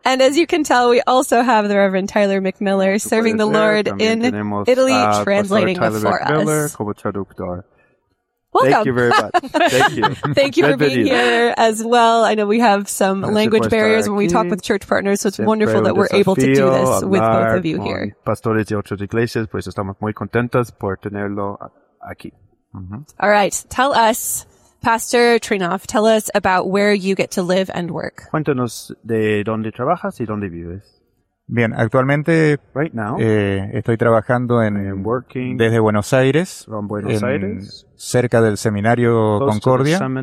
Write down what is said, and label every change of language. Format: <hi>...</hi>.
<en>And as you can tell, we also have the Reverend Tyler McMiller serving the Lord in Italy, translating for us.</en> <es>Tyler como traductor.</es> <en>Welcome. Thank you very much. Thank you. Thank you for being here as well. I know we have some language barriers when we talk with church partners, so it's wonderful that we're able to do this with both of you here.</en> <es>Pastores de otras iglesias, pues estamos muy contentos por tenerlo aquí. Mm-hmm.</es> <en>All right. Tell us, Pastor Trinoff, tell us about where you get to live and work.</en> <es>Cuéntanos de dónde trabajas y dónde vives. Bien, actualmente estoy trabajando desde Buenos Aires, cerca del Seminario Concordia.</es>